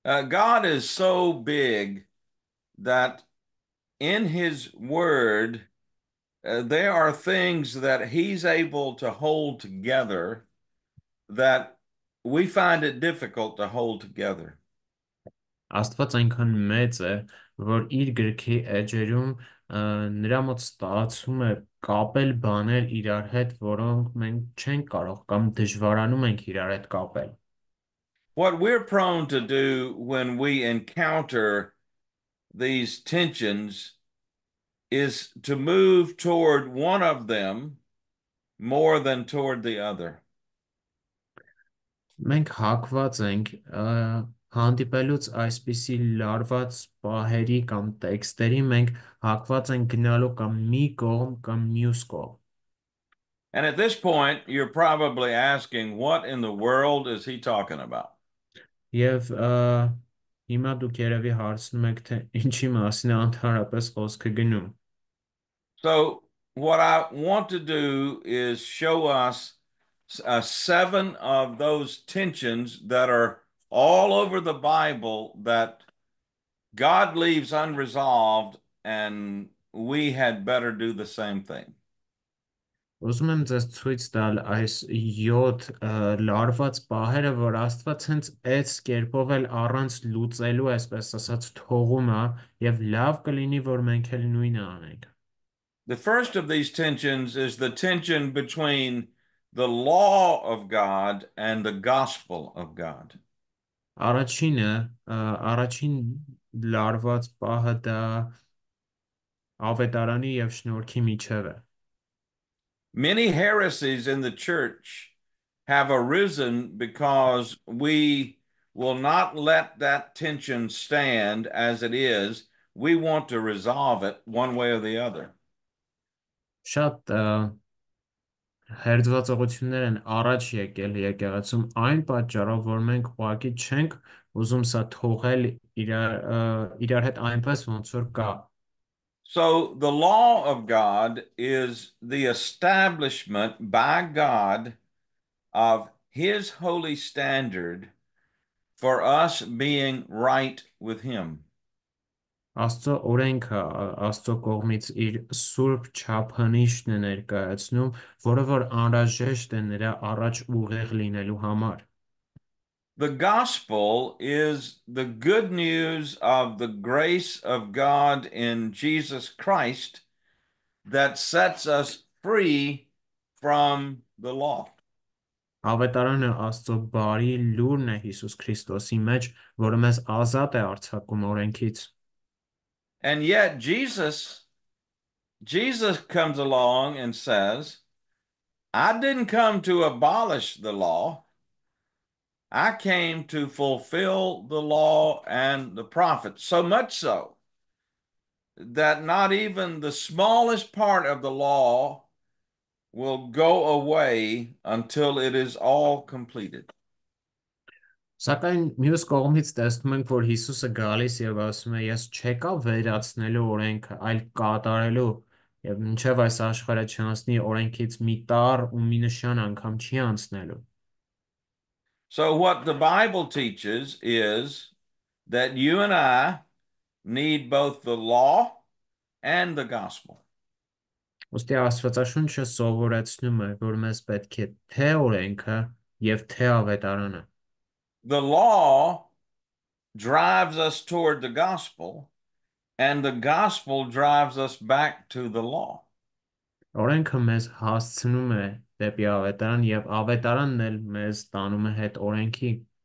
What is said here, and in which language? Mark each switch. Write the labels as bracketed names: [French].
[English] God is so big that in his word there are things that he's able to hold together that We find it difficult to hold together. [Armenian] Աստված այնքան մեծ է, որ իր գրքի էջերում նրա մոտ ստացվում է կապել բաներ իրար հետ, որոնք մենք չենք կարող կամ դժվարանում ենք իրար հետ կապել։ [English] What we're prone to do when we encounter these tensions is to move toward one of them more than toward the other. [Armenian] Մենք հակված ենք հանդիպելուց այսպիսի լարված պահերի կամ տեքստերի, մենք հակված ենք գնալու կամ մի կողմ կամ մյուս կողմ։ [English] And at this point, you're probably asking, what in the world is he talking about? [Armenian] Եվ հիմա դուք երևի հարցնում եք, թե ինչի մասին է ընդհանրապես խոսքը գնում։ [English] So what I want to do is show us seven of those tensions that are all over the Bible that God leaves unresolved, and we had better do the same thing. [Armenian] Ուզում եմ ձեզ ցույց տալ այս 7 լարված պահերը, որ Աստված հենց այդ կերպով էլ առանց լուծելու, այսպես ասած, թողում է, եւ լավ կլինի, որ մենք էլ նույնը անենք։ [English] The first of these tensions is the tension between the law of God and the gospel of God. [Armenian] Առաջինը, առաջին լարված պահը դա ավետարանի եւ շնորհքի միջև է։ [English] Many heresies in the church have arisen because we will not let that tension stand as it is. We want to resolve it one way or the other. [Armenian] Շատ հերձվածողություններ են առաջ եկել եկեղեցում այն պատճառով, որ մենք ուղղակի չենք ուզում սա թողել իրար հետ այնպես, ոնց որ կա։ [English] So the law of God is the establishment by God of his holy standard for us being right with him. [Armenian] Աստծո օրենքը Աստծո կողմից իր սուրբ չափանիշն է ներկայացնում, որը որ անհրաժեշտ է նրա առաջ ուղեղ լինելու համար։ [English] The gospel is the good news of the grace of God in Jesus Christ that sets us free from the law. [Armenian] Ավետարանը Աստծո բարի լուրն է Հիսուս Քրիստոսի մեջ, որը մեզ ազատ է արձակում օրենքից։ [English] And yet Jesus comes along and says, I didn't come to abolish the law. I came to fulfill the law and the prophets, so much so that not even the smallest part of the law will go away until it is all completed. [Armenian] Սակայն մյուս կողմից տեսնում ենք, որ Հիսուսը գալիս եւ ասում է, ես չեկա վերացնելու օրենքը, այլ կատարելու, եւ մինչեւ այս աշխարհը չանցնի օրենքից մի տառ ու մի նշան անգամ չի անցնելու։ [English] So what the Bible teaches is that you and I need both the law and the gospel. [Armenian] Ոստի Աստվածաշունչը սովորեցնում է, որ մեզ պետք է թե օրենքը եւ թե ավետարանը։ [English] The law drives us toward the gospel, and the gospel drives us back to the law. [Armenian] Օրենքը մեզ հասցնում է դեպի ավետարան, եւ ավետարանն էլ մեզ տանում է հետ օրենքի։